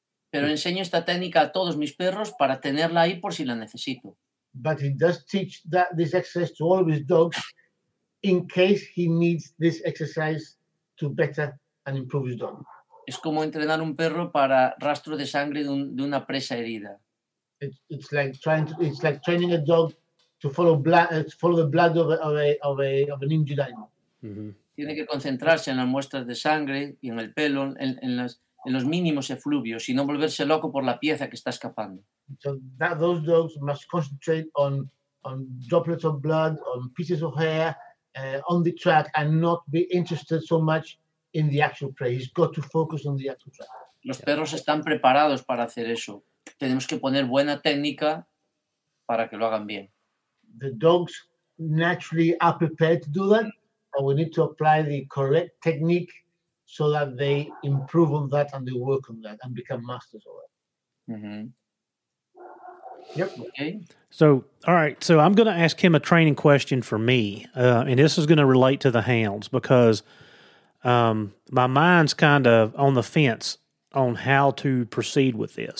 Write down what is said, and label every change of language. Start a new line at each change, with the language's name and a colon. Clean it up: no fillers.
Spanish: Pero enseño esta técnica a todos mis perros para tenerla ahí por si la necesito.
English: But he does teach that this exercise to all of his dogs in case he needs this exercise to better and improve his dog.
Spanish: Es como entrenar un perro para rastro de sangre de una presa herida.
English: It's like training a dog to follow the blood of an injured animal.
Spanish: Tiene que concentrarse en las muestras de sangre y en el pelo, en los mínimos efluvios, y no volverse loco por la pieza que está escapando.
English: So that those dogs must concentrate on droplets of blood, on pieces of hair, on the track, and not be interested so much in the actual prey. He's got to focus on the actual track.
Spanish: Los perros están preparados para hacer eso. Tenemos que poner buena técnica para que lo hagan bien.
English: The dogs naturally are prepared to do that. We need to apply the correct technique so that they improve on that and they work on that and become masters of it. Mm-hmm. Yep. Okay. So, all right. So I'm going to ask him a training question for me. And this is going to relate to the hounds because my mind's kind of on the fence on how to proceed with this.